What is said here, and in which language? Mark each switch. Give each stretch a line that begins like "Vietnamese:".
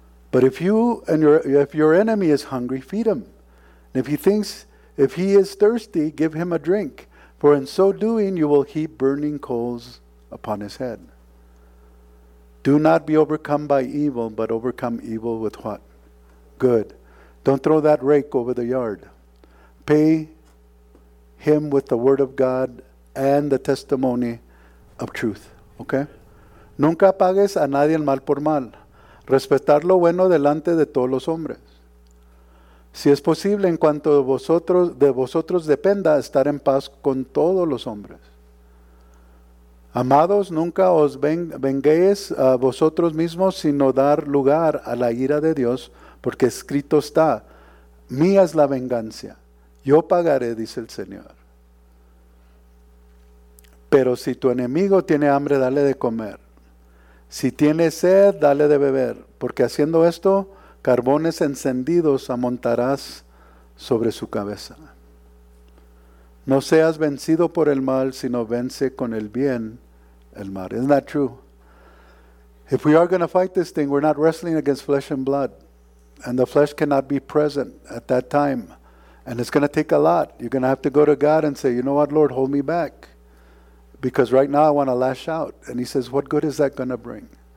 English: But if you and if your enemy is hungry, feed him. And if he is thirsty, give him a drink, for in so doing you will heap burning coals upon his head. Do not be overcome by evil, but overcome evil with what? Good. Don't throw that rake over the yard. Pay him with the word of God and the testimony of truth. Okay?
Spanish: Nunca pagues a nadie el mal por mal. Respetar lo bueno delante de todos los hombres. Si es posible, en cuanto de vosotros dependa, estar en paz con todos los hombres. Amados, nunca os venguéis a vosotros mismos, sino dar lugar a la ira de Dios, porque escrito está, mía es la venganza, yo pagaré, dice el Señor. Pero si tu enemigo tiene hambre, dale de comer. Si tiene sed, dale de beber, porque haciendo esto, carbones encendidos amontarás sobre su cabeza. No seas vencido por el mal, sino vence con el bien el mal.
English: Isn't that true? If we are going to fight this thing, we're not wrestling against flesh and blood. And the flesh cannot be present at that time. And it's going to take a lot. You're going to have to go to God and say, you know what, Lord, hold me back. Because right now I want to lash out. And he says, what good is that going to bring?